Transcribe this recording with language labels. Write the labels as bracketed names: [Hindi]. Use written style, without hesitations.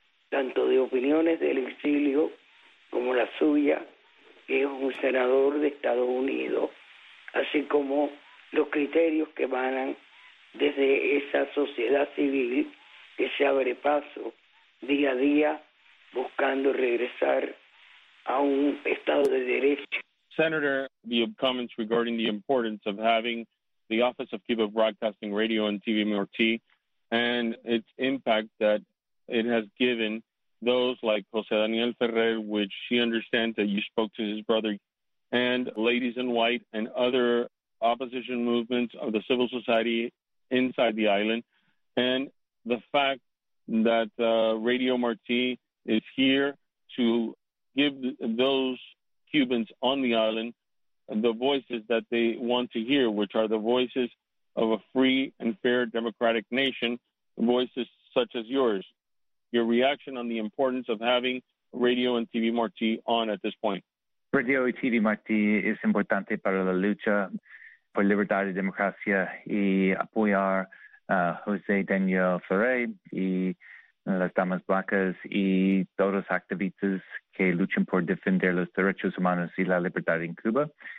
[Spanish] tanto de opiniones del exilio como la suya, que es un senador de Estados Unidos, así como los criterios que emanan desde esa sociedad civil que se abre paso día a día buscando regresar a un estado de derecho. [English] Senator, your comments regarding the importance of having the Office of Cuba Broadcasting Radio and TV MRT and its impact that it has given those like Jose Daniel Ferrer, which she understands that you spoke to his brother, and Ladies in White and other opposition movements of the civil society inside the island, and the fact that Radio Martí is here to give those Cubans on the island the voices that they want to hear, which are the voices of a free and fair democratic nation, voices such as yours. Your reaction on the importance of having Radio and TV Martí on at this point. [Spanish] Radio y TV Martí es importante para la lucha por libertad y democracia y apoyar a José Daniel Ferrer y las damas blancas y todos los activistas que luchan por defender los derechos humanos y la libertad en Cuba.